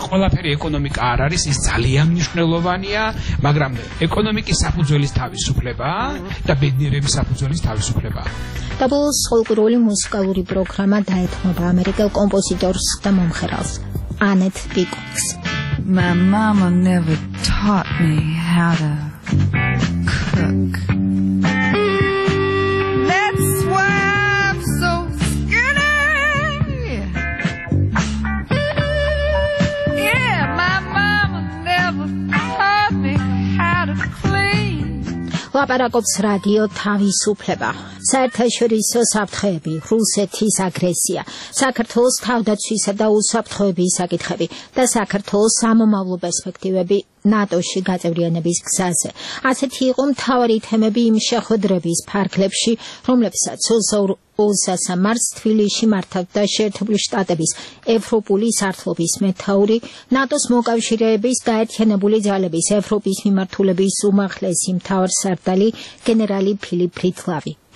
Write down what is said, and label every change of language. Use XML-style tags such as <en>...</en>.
<ka>ყველაფერი ეკონომიკა არ არის, ის ძალიან მნიშვნელოვანია, მაგრამ ეკონომიკის საფუძველის თავისუფლებაა და ბედნიერების საფუძველის თავისუფლებაა. და ბოლოს ხოლკრული მუსიკალური პროგრამა დაეთმობა ამერიკელ კომპოზიტორს და მომღერალს ანეთ პიკოქს.</ka> <en>My mama never taught me how to cook. That's why I'm so skinny. Yeah, my mama never taught me how to clean.</en> <ka>ლაპარაკობს რადიო თავისუფლება. საერთაშორისო საფრთხეები, რუსეთის აგრესია, საქართველოს თავდაცვისა და უსაფრთხოების საკითხები და საქართველოს სამომავლო პერსპექტივები ნატოში გაწევრიანების გზაზე. ასეთი იყო მთავარი თემები იმ შეხვედრების ფარგლებში, რომლებსაც 22 მარტს თბილისში მართავდა შეერთებული შტატების ევროპული სარდლობის მეთაური, ნატოს მოკავშირეების გაერთიანებული ძალების ევროპის მიმართულების უმაღლესი მთავარსარდალი გენერალი ფილიპ ბრიდლავი.</ka>